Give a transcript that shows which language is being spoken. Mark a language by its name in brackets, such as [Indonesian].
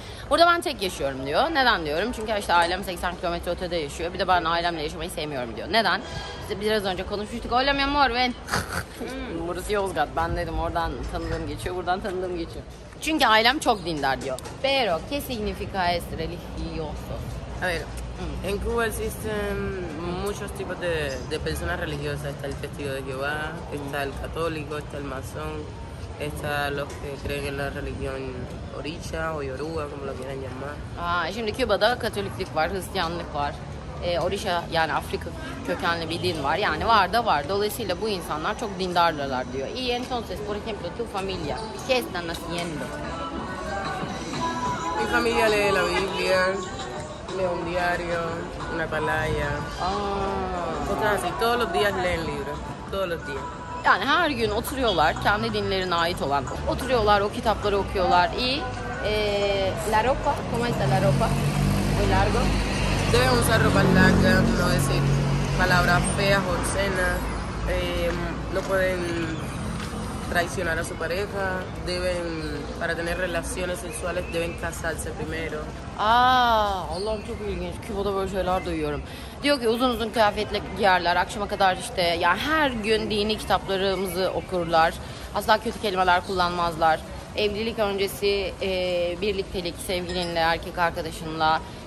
[Turkish] Burada ben tek yaşıyorum diyor. Neden diyorum? Çünkü işte ailem 80 kilometre ötede yaşıyor. Bir de ben ailemle yaşamayı sevmiyorum diyor. Neden? İşte biraz önce konuşmuştuk. [Spanish] Hola mi amor [Turkish] ben? Burası Yozgat. Ben dedim oradan tanıdığım geçiyor. Buradan tanıdığım geçiyor. Çünkü ailem çok dindar diyor. [Spanish] Pero que significa es religioso? A ver. En Cuba existen muchos tipos de personas religiosas. Está el testigo de Jehová, está el católico, está el masón, está los que creen en la religión orisha o yoruba, como lo quieran llamar. [Turkish] Şimdi Küba'da Katoliklik var, Hristiyanlık var. Orisha yani Afrika kökenli bir din var. Yani var da var. Dolayısıyla bu insanlar çok dindarlar diyor. [Spanish] Y entonces, por ejemplo, tu familia, ¿qué están haciendo? Mi familia lee la Biblia. Un diario, una palaya. Ah. O sea, así, todos los días leen libros, todos los días. Yani her gün oturuyorlar, kendi dinlerine ait olan. Oturuyorlar, o kitapları okuyorlar. Y la ropa, ¿cómo está la ropa? Muy largo. Deben usar ropa larga, no decir palabras feas, obscenas. No pueden traicionar a su pareja. Deben, para tener relaciones sexuales, deben casarse primero. [Turkish] Allah'ım çok ilginç. Küba'da böyle şeyler duyuyorum. Diyor ki uzun uzun kıyafetle giyerler. Akşama kadar işte ya yani her gün dini kitaplarımızı okurlar. Asla kötü kelimeler kullanmazlar. Evlilik öncesi birliktelik sevgilinle, erkek arkadaşınla.